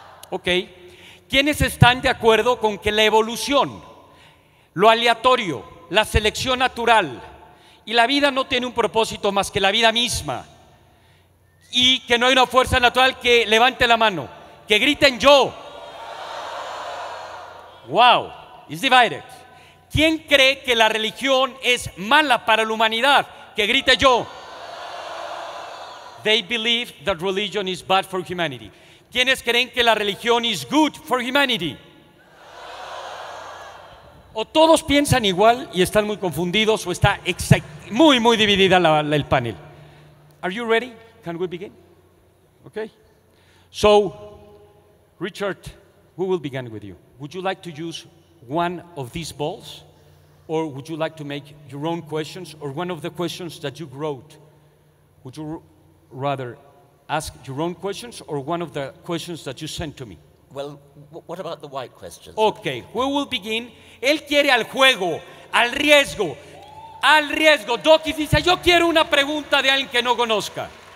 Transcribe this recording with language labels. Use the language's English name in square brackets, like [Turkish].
[Spanish] Ok. ¿Quiénes están de acuerdo con que la evolución, lo aleatorio, la selección natural y la vida no tiene un propósito más que la vida misma y que no hay una fuerza natural, que levante la mano, que griten yo? [English] Wow, it's divided. [Spanish] ¿Quién cree que la religión es mala para la humanidad? Que grite yo. [English] They believe that religion is bad for humanity. [Spanish] ¿Quiénes creen que la religión [English] is good for humanity? [Spanish] O todos piensan igual y están muy confundidos, o está muy, muy dividida el panel. [English] Are you ready? Can we begin? Okay. So, Richard, we will begin with you. Would you like to use one of these balls? Or would you like to make your own questions? Or one of the questions that you wrote? Would you rather ask your own questions or one of the questions that you sent to me? Well, what about the white questions? Okay, we will begin. [Spanish] Él quiere al juego, al riesgo, al riesgo. Doki dice, yo quiero una pregunta de alguien que no conozca.